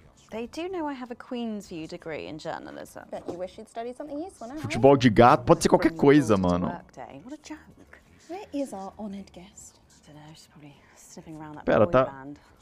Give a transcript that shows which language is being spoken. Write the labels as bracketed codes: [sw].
[en] They do know I have a Queen's View degree in journalism. But you wish you'd study something useful, now, [pt] futebol de gato, pode ser qualquer coisa, mano. [en] What a joke. Where is our honored guest? I don't know, she's probably sniffing around that boy band.